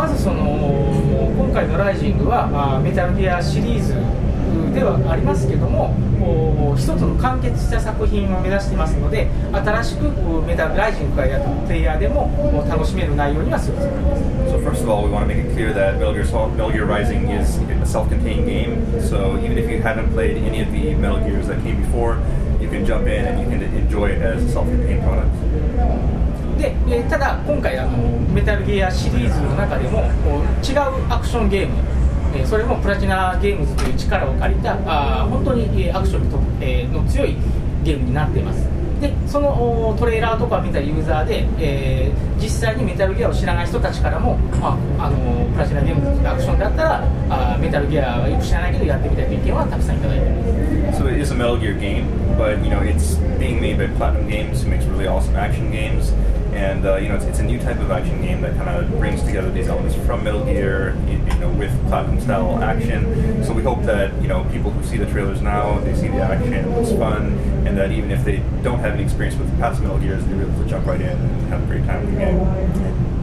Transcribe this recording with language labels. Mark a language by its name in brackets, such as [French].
[Japanese] まずその今回のライジングは、メタルギアシリーズではありますけども、一つの完結した作品を目指していますので、新しくメタルライジングがやるプレイヤーでも楽しめる内容にはするつもりです。 [English] So first of all, we want to make it clear that Metal Gear Rising is a self-contained game. So even if you haven't played any of the Metal Gears that came before, you can jump in and you can enjoy it as a self-contained product. [Japanese] で、ただ今回メタルギアシリーズの中でも違うアクションゲーム、それもプラチナゲームズという力を借りた本当にアクションの強いゲームになっています。で、そのトレーラーとか見たユーザーで、実際にメタルギアを知らない人たちからも、プラチナゲームズというアクションだったらメタルギアはよく知らないけどやってみたいという意見はたくさんいただいています [English] So it is a Metal Gear game, but you know, it's being made by Platinum Games, who makes really awesome action gamesAnd, you know, it's a new type of action game that kind of brings together these elements from Metal Gear, you know, with Platinum-style action. So we hope that, you know, people who see the trailers now, they see the action, it looks fun, and that even if they don't have any experience with the past Metal Gears, they're able to jump right in and have a great time with the game.